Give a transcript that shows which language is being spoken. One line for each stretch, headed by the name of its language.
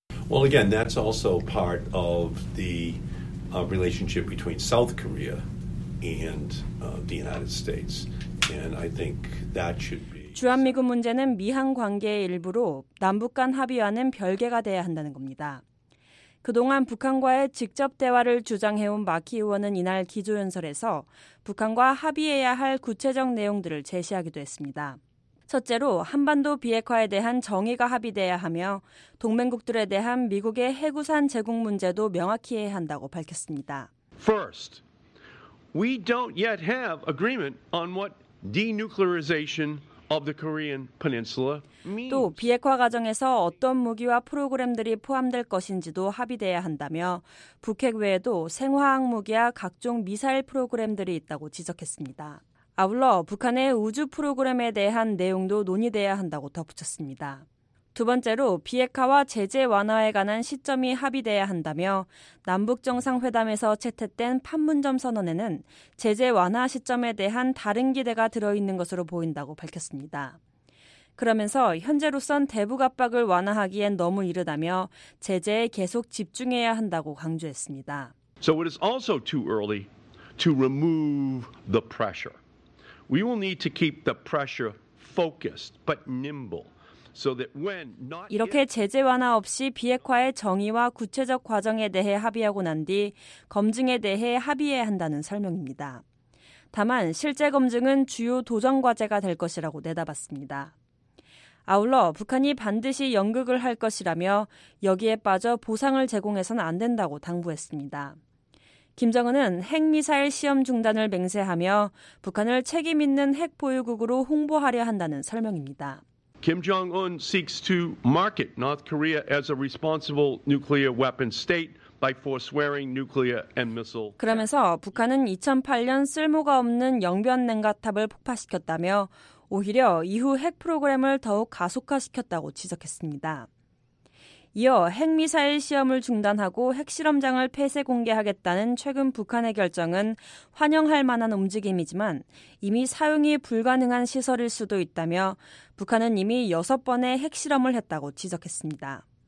English: Well, again, that's also part of the relationship between South Korea and the United States. And I think that should be
Korean: 주한미군 문제는 미한 관계의 일부로 남북 간 합의와는 별개가 돼야 한다는 겁니다. 그동안 북한과의 직접 대화를 주장해온 마키 의원은 이날 기조연설에서 북한과 합의해야 할 구체적 내용들을 제시하기도 했습니다. 첫째로 한반도 비핵화에 대한 정의가 합의돼야 하며 동맹국들에 대한 미국의 해구산 제공 문제도 명확히 해야 한다고 밝혔습니다.
English: First, we don't yet have agreement on what denuclearization of the Korean Peninsula.
Korean: 또 비핵화 과정에서 어떤 무기와 프로그램들이 포함될 것인지도 합의돼야 한다며 북핵 외에도 생화학 무기와 각종 미사일 프로그램들이 있다고 지적했습니다. 아울러 북한의 우주 프로그램에 대한 내용도 논의돼야 한다고 덧붙였습니다. 두 번째로 비핵화와 제재 완화에 관한 시점이 합의돼야 한다며 남북정상회담에서 채택된 판문점 선언에는 제재 완화 시점에 대한 다른 기대가 들어있는 것으로 보인다고 밝혔습니다. 그러면서 현재로선 대북 압박을 완화하기엔 너무 이르다며 제재에 계속 집중해야 한다고 강조했습니다.
English: So it is also too early to remove the pressure. We will need to keep the pressure focused but nimble.
Korean: 이렇게 제재 완화 없이 비핵화의 정의와 구체적 과정에 대해 합의하고 난 뒤 검증에 대해 합의해야 한다는 설명입니다. 다만 실제 검증은 주요 도전 과제가 될 것이라고 내다봤습니다. 아울러 북한이 반드시 연극을 할 것이라며 여기에 빠져 보상을 제공해서는 안 된다고 당부했습니다. 김정은은 핵미사일 시험 중단을 맹세하며 북한을 책임 있는 핵 보유국으로 홍보하려 한다는 설명입니다.
English: Kim Jong-un seeks to market North Korea as a responsible nuclear weapon state by forswearing nuclear and missile.
Korean: 그러면서 북한은 2008년 쓸모가 없는 영변 냉각탑을 폭파시켰다며 오히려 이후 핵 프로그램을 더욱 가속화시켰다고 지적했습니다. 이어 핵미사일 시험을 중단하고 핵실험장을 폐쇄 공개하겠다는 최근 북한의 결정은 환영할 만한 움직임이지만 이미 사용이 불가능한 시설일 수도 있다며 북한은 이미 6번의 핵실험을 했다고 지적했습니다.